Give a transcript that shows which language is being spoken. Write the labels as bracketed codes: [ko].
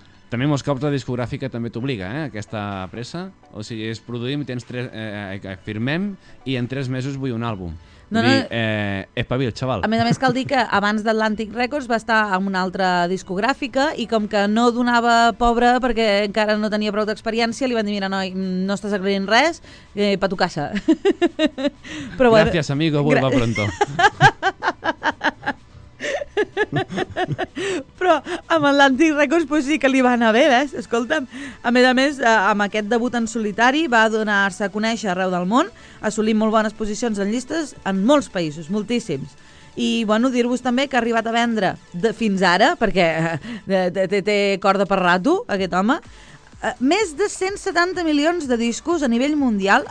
[ca] També molts cops la discogràfica també t'obliga, aquesta pressa. O sigui, és produïm, tens tres, firmem, i en tres mesos vull un àlbum. Espavil, xaval. A més, cal dir que abans d'Atlantic Records va estar en una altra discogràfica i com que no donava pobre perquè encara no tenia prou d'experiència, li van dir, mira, noi, no estàs aclarint res, [es] pa tu casa. Però, gracias, amigo, vuelva pronto. [ca] Però amb Atlantic Records pues sí que li va anar bé, ves? Escolta'm. A més, amb aquest debut en solitari va donar-se a conèixer arreu del món, assolint molt bones posicions en llistes en molts països, moltíssims. I bueno, dir-vos també que ha arribat a vendre fins ara, perquè té corda per rato aquest home, més de 170 milions de discos a nivell mundial.